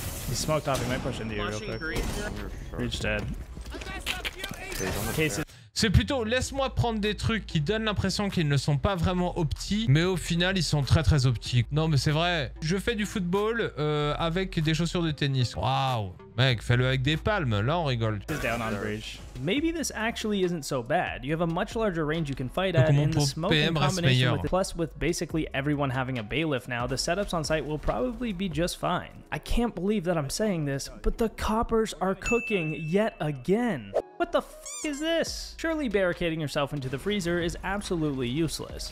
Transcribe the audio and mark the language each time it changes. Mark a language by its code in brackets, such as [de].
[en] He smoked off. He might push into you real quick. Breach dead. Cases. [fr] C'est plutôt laisse-moi prendre des trucs qui donnent l'impression qu'ils ne sont pas vraiment opti, mais au final ils sont très très opti. Non mais c'est vrai, je fais du football avec des chaussures de tennis. Waouh, mec, fais-le avec des palmes, là on rigole. [en] Maybe this actually isn't so bad. You have a much larger range you can fight at, and the smoke in combination with plus with basically everyone having a bailiff now, the setups on site will probably be just fine. I can't believe that I'm saying this, but the coppers are cooking yet again. What the f*** is this? Surely barricading yourself into the freezer is absolutely useless.